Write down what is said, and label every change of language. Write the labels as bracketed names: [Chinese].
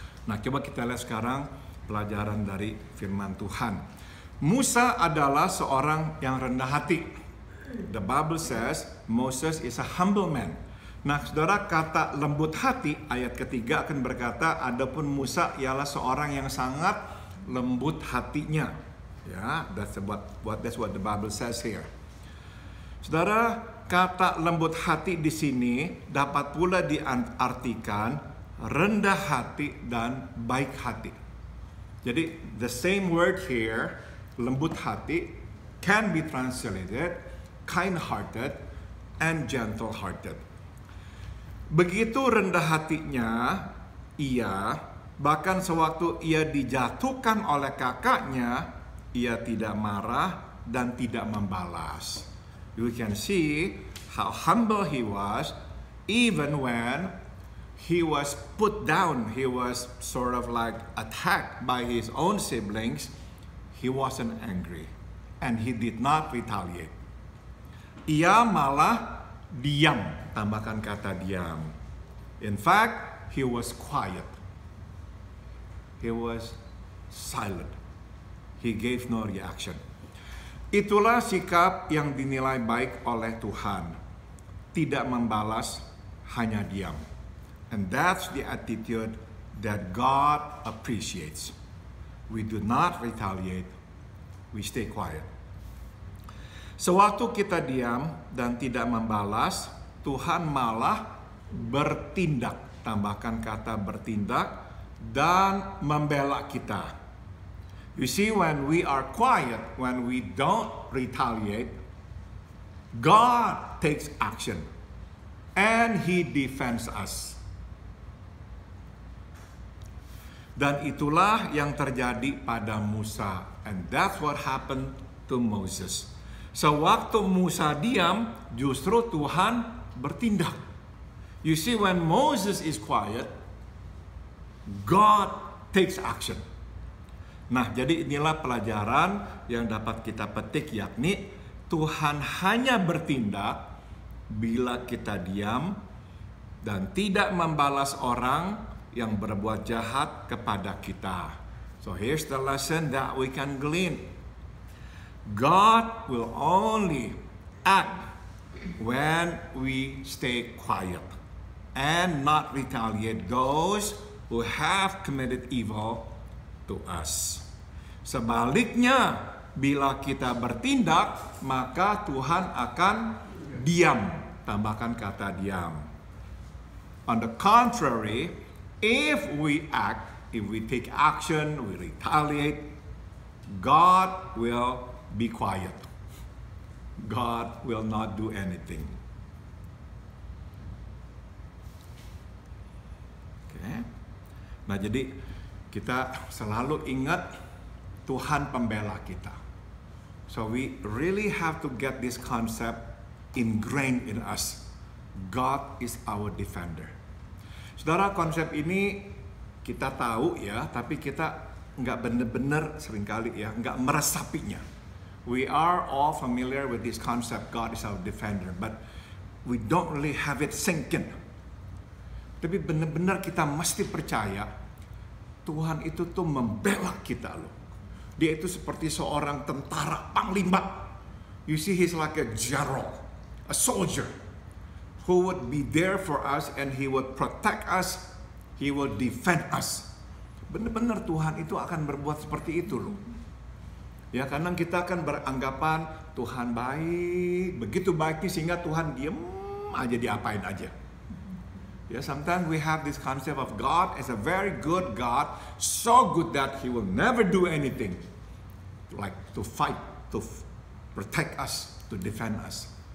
[Indonesian] Nah, coba kita lihat sekarang pelajaran dari firman Tuhan. Musa adalah seorang yang rendah hati. [English] The Bible says Moses is a humble man. [Indonesian] Nah, saudara, kata lembut hati, ayat ketiga akan berkata, adapun Musa ialah seorang yang sangat lembut hatinya. Ya, [English] that's what the Bible says here. [Indonesian] Saudara, kata lembut hati di sini dapat pula diartikan rendah hati dan baik hati. Jadi, [English] the same word here [Indonesian] lembut hati, [English] can be translated kind-hearted and gentle-hearted. [Indonesian] Begitu rendah hatinya ia, bahkan sewaktu ia dijatuhkan oleh kakaknya, ia tidak marah dan tidak membalas. [English] You can see how humble he was, even when he was put down, he was sort of like attacked by his own siblings, he wasn't angry, and he did not retaliate. [Indonesian] Ia malah diam, tambahkan kata diam. [English] In fact, he was quiet. He was silent. He gave no reaction. [Indonesian] Itulah sikap yang dinilai baik oleh Tuhan. Tidak membalas, hanya diam. [English] And that's the attitude that God appreciates. We do not retaliate, we stay quiet. [Indonesian] Sewaktu kita diam dan tidak membalas, Tuhan malah bertindak, tambahkan kata bertindak, dan membela kita. [English] You see, when we are quiet, when we don't retaliate, God takes action and He defends us. [Indonesian] Dan itulah yang terjadi pada Musa. [English] And that's what happened to Moses. [Indonesian] Sewaktu Musa diam, justru Tuhan bertindak. [English] You see, when Moses is quiet, God takes action. [Indonesian] Nah, jadi inilah pelajaran yang dapat kita petik, yakni Tuhan hanya bertindak bila kita diam dan tidak membalas orang yang berbuat jahat kepada kita. [English] So here's the lesson that we can glean. God will only act when we stay quiet and not retaliate those who have committed evil to us. [Indonesian] Sebaliknya, bila kita bertindak, maka Tuhan akan diam, tambahkan kata diam. [English] On the contrary, if we act, if we take action, we retaliate, God will be quiet. God will not do anything. [Indonesian] Okay. Nah, jadi kita selalu ingat Tuhan pembela kita. [English] So we really have to get this concept ingrained in us. God is our defender. [Indonesian] Saudara, konsep ini kita tahu ya, tapi kita enggak benar-benar seringkali ya, enggak meresapinya. [English] We are all familiar with this concept, God is our defender, but we don't really have it sink in. [Indonesian] Tapi benar-benar kita mesti percaya, Tuhan itu tuh membela kita loh. Dia itu seperti seorang tentara panglima. [English] You see, he's like a general, a soldier, who would be there for us and he would protect us, he would defend us. [Indonesian] Benar-benar Tuhan itu akan berbuat seperti itu loh. Ya, karena kita kan beranggapan Tuhan baik, begitu baiknya sehingga Tuhan diem aja, diapain aja. [English] Ya, sometimes we have this concept of God as a very good God, so good that He will never do anything, like to fight, to protect us, to defend us.